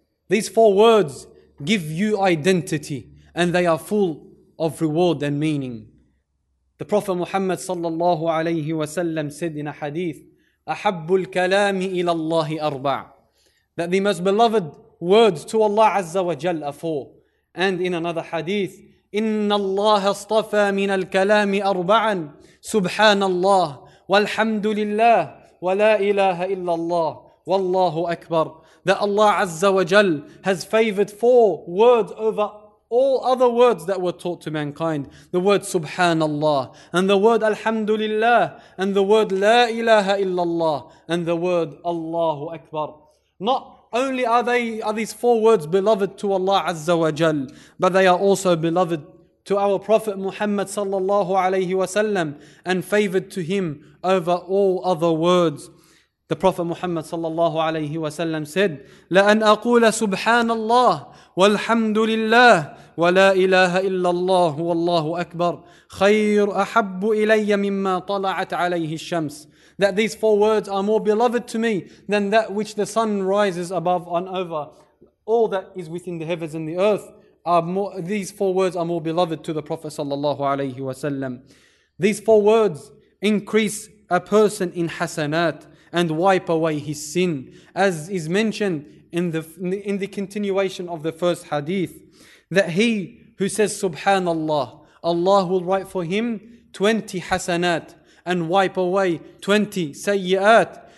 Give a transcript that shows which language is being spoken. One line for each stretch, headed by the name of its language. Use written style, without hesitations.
English: These four words give you identity, and they are full of reward and meaning. The Prophet Muhammad sallallahu alayhi wa sallam said in a hadith,
Arabic: أحب الكلام إلى الله أربع,
English: that the most beloved words to Allah Azza wa Jal are four. And in another hadith,
Arabic: إِنَّ اللَّهَ اصْطَفَى مِنَ الْكَلَامِ أَرْبَعًا سُبْحَانَ اللَّهِ وَالْحَمْدُ لِلَّهِ وَلَا إِلَهَ إِلَّا اللَّهِ وَاللَّهُ أَكْبَرُ.
English: That Allah Azza wa Jal has favored four words over all other words that were taught to mankind. The word Subhanallah, and the word Alhamdulillah, and the word La ilaha illallah, and the word Allahu Akbar. Not only are these four words beloved to Allah Azza wa Jal, but they are also beloved to our Prophet Muhammad sallallahu alayhi wa sallam, and favored to him over all other words. The Prophet Muhammad sallallahu alayhi wa sallam said,
Arabic: لَأَنْ أَقُولَ سُبْحَانَ اللَّهِ وَالْحَمْدُ لِلَّهِ وَلَا إِلَهَ إِلَّا اللَّهُ وَاللَّهُ أَكْبَرُ خَيْرُ أَحَبُّ إِلَيَّ مِمَّا طَلَعَتْ عَلَيْهِ الشَّمْسِ.
English: That these four words are more beloved to me than that which the sun rises above and over. All that is within the heavens and the earth, these four words are more beloved to the Prophet sallallahu alayhi wa sallam. These four words increase a person in hasanat and wipe away his sin, as is mentioned in the continuation of the first hadith, that he who says Subhanallah, Allah will write for him 20 hasanat and wipe away 20 sayyi'at.